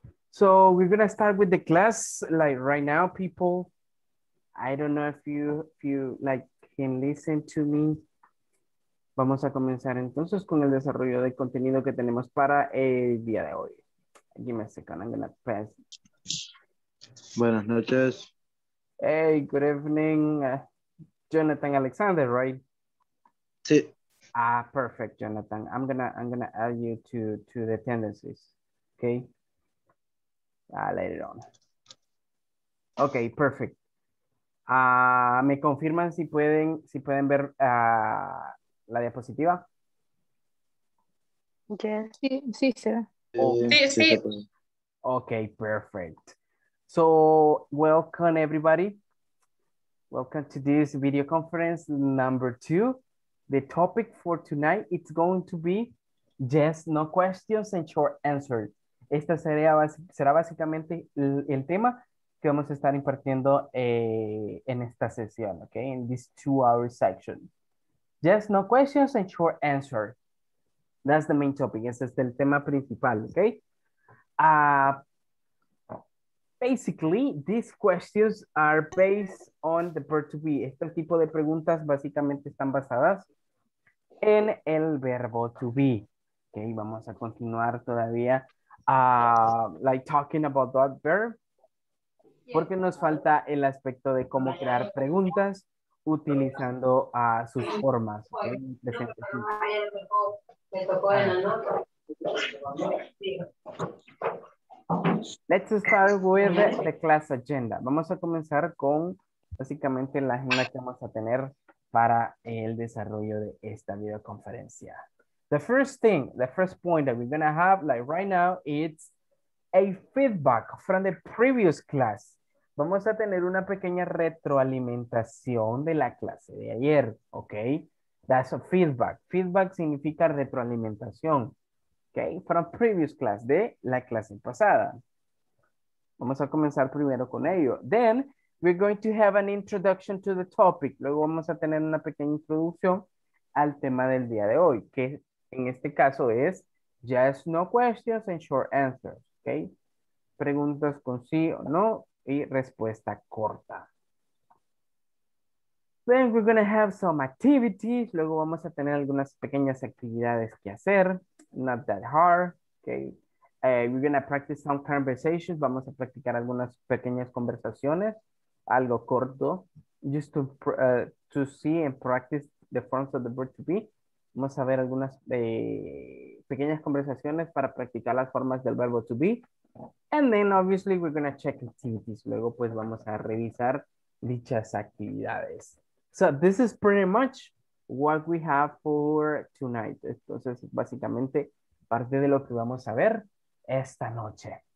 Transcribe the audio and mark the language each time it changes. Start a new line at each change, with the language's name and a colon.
English: So we're gonna start with the class like right now, people. I don't know if you like can listen to me
Spanish: Vamos a comenzar entonces con el desarrollo de contenido que tenemos para el día de hoy.
English: Give me a second, I'm gonna pass.
Spanish: Buenas noches.
English: Hey, good evening. Jonathan Alexander, right?
Spanish: Sí.
English: Ah, perfect, Jonathan. I'm gonna add you to the attendances. Okay. I'll let it on. Okay, perfect.
Spanish: ¿Me confirman si pueden ver la diapositiva?
English: Yes.
Spanish: Sí, sí, será. Sí, sí.
English: Okay, perfect. So, welcome everybody. Welcome to this video conference number 2. The topic for tonight, it's going to be yes, no questions and short answers.
Spanish: Esta será básicamente el tema que vamos a estar impartiendo en esta sesión, okay?
English: In this 2-hour section. Yes, no questions and short answer. That's the main topic.
Spanish: Ese es el tema principal, okay?
English: Basically, these questions are based on the verb to be.
Spanish: Este tipo de preguntas básicamente están basadas en el verbo to be.
English: Okay,
Spanish: vamos a continuar todavía
English: like talking about that verb.
Spanish: Porque nos falta el aspecto de cómo crear preguntas utilizando sus formas. ¿Okay?
English: Let's start with the class agenda.
Spanish: Vamos a comenzar con básicamente la agenda que vamos a tener para el desarrollo de esta videoconferencia.
English: The first point that we're going to have like right now is a feedback from the previous class.
Spanish: Vamos a tener una pequeña retroalimentación de la clase de ayer, ¿ok?
English: That's a feedback. Feedback
Spanish: significa retroalimentación,
English: ¿ok? From previous class,
Spanish: de la clase pasada. Vamos a comenzar primero con ello.
English: Then, we're going to have an introduction to the topic.
Spanish: Luego vamos a tener una pequeña introducción al tema del día de hoy, que en este caso es
English: yes, no questions and short answers,
Spanish: ¿ok? Preguntas con sí o no. Y respuesta corta.
English: Then we're going to have some activities.
Spanish: Luego vamos a tener algunas pequeñas actividades que hacer.
English: Not that hard. Okay. We're going to practice some conversations.
Spanish: Vamos a practicar algunas pequeñas conversaciones. Algo corto.
English: Just to see and practice the forms of the verb to be.
Spanish: Vamos a ver algunas pequeñas conversaciones para practicar las formas del verbo to be.
English: And then obviously we're going to check activities.
Spanish: Luego pues vamos a revisar dichas actividades.
English: So this is pretty much what we have for tonight.
Spanish: Entonces básicamente parte de lo que vamos a ver esta noche.